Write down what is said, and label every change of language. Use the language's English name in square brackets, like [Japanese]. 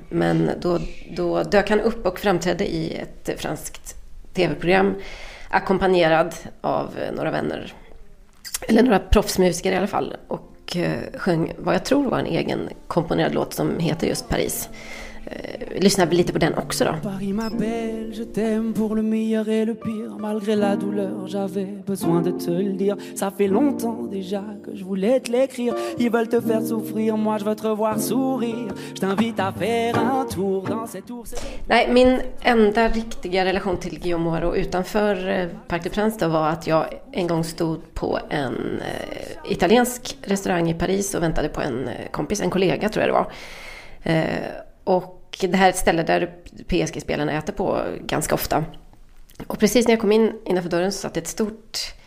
[Swedish] Men då dök han upp och framträdde i ett franskt tv-program ackompanjerad av några vänner, eller några proffsmusiker i alla fall, och sjöng vad jag tror var en egen komponerad låt som heter just Paris. Lyssnar vi lite på den också då. [French] Paris m'appelle, je t'aime pour le meilleur et le pire. Malgré la douleur, j'avais besoin de te le dire. Ça fait longtemps déjà que je voulais te l'écrire. Ils veulent te faire souffrir, moi je veux te voir sourire. Je t'invite à faire un tour dans cette tour. [Swedish] Nej, min enda riktiga relation till Guillaume Hoareau utanför Parc des Princes då var att jag en gång stod på en italiensk restaurang i Paris och väntade på en kompis, en kollega tror jag det var. Och det här är ett ställe där PSG-spelarna äter på ganska ofta. Och precis när jag kom in innanför dörren så satt ett stort